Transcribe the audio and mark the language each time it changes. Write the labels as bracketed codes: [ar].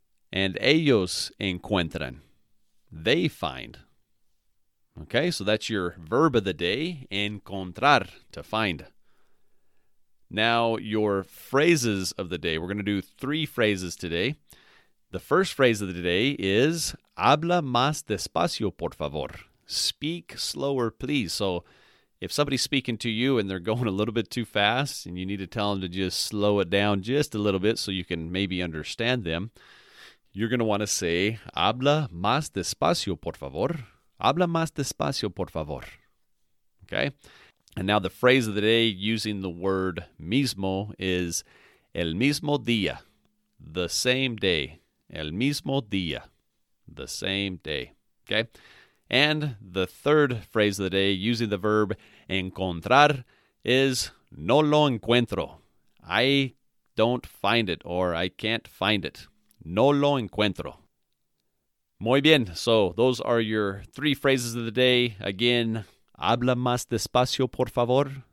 [en] And [es] ellos encuentran, [en] they find. Okay, so that's your verb of the day, encontrar, to find. Now, your phrases of the day. We're going to do three phrases today. The first phrase of the day is, [es] habla más despacio, por favor. [en] Speak slower, please. So, if somebody's speaking to you and they're going a little bit too fast and you need to tell them to just slow it down just a little bit so you can maybe understand them, you're going to want to say, [es] habla más despacio, por favor. Habla más despacio, por favor. [en] Okay? And now the phrase of the day using the word mismo is [es] el mismo día, [en] the same day, el mismo día, the same day, okay? And the third phrase of the day using the verb encontrar is [es] no lo encuentro, [en] I don't find it or I can't find it, no lo encuentro. [es] Muy bien, [en] so those are your three phrases of the day. Again, [es] habla más despacio, por favor.